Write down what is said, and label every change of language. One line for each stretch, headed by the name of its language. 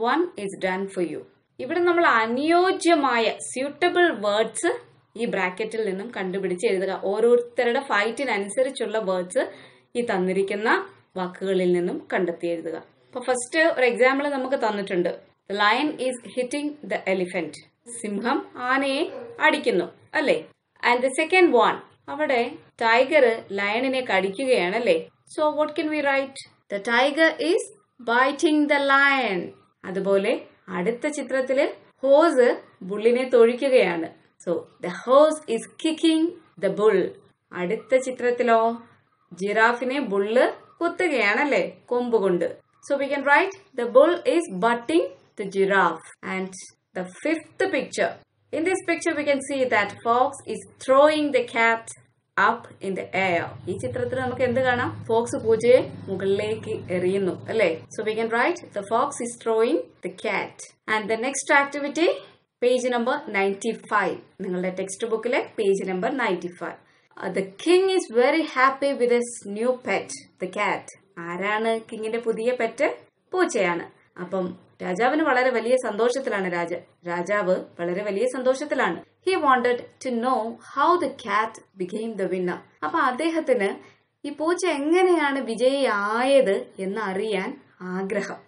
English: One is done for you.
Malayalam: ഇവിടെ നമ്മൾ അനുയോജ്യമായ സ്യൂട്ടബിൾ വേർഡ്സ് ഈ ബ്രാക്കറ്റിൽ നിന്നും കണ്ടുപിടിച്ച് എഴുതുക. ഓരോരുത്തരുടെ ഫൈറ്റിനനുസരിച്ചുള്ള വേർഡ്സ് ഈ തന്നിരിക്കുന്ന വാക്കുകളിൽ നിന്നും കണ്ടെത്തി എഴുതുക. അപ്പൊ ഫസ്റ്റ് ഒരു എക്സാമ്പിൾ നമുക്ക് തന്നിട്ടുണ്ട്.
English: The lion is hitting the elephant.
Malayalam: സിംഹം ആനയെ അടിക്കുന്നു അല്ലേ?
English: And the second one,
Malayalam: അവിടെ tiger ലയണിനെ കടിക്കുകയാണ് അല്ലേ?
English: So what can we write? The tiger is biting the lion.
Malayalam: അതുപോലെ അടുത്ത ചിത്രത്തില് ഹോസ് ബുള്ളിനെ തൊഴിക്കുകയാണ്.
English: So the horse is kicking the bull.
Malayalam: അടുത്ത ചിത്രത്തിലോ ജിറാഫിനെ ബുള്ള് കുത്തുകയാണ് അല്ലേ കൊമ്പുകൊണ്ട്.
English: So we can write the bull is butting the giraffe. And the fifth picture. In this picture we can see that fox is throwing the cat up in the air.
Malayalam: ഈ ചിത്രത്തിൽ നമുക്ക് എന്ത് കാണാം? Fox പൂച്ചയെ മുകളിലേക്ക് എറിയുന്നു അല്ലേ?
English: So we can write the fox is throwing the cat. And the next activity, page number 95.
Malayalam: നിങ്ങളുടെ text ബുക്കിലെ page number 95.
English: The king is very happy with his new pet, the cat.
Malayalam: ആരാണ് കിങ്ങിന്റെ പുതിയ pet? പൂച്ചയാണ്. അപ്പം രാജാവിന് വളരെ വലിയ സന്തോഷത്തിലാണ്. രാജാവ് വളരെ വലിയ സന്തോഷത്തിലാണ്.
English: He wanted to know how the cat became the winner.
Malayalam: അപ്പൊ അദ്ദേഹത്തിന് ഈ പൂച്ച എങ്ങനെയാണ് വിജയിയായത് എന്ന് അറിയാൻ ആഗ്രഹം.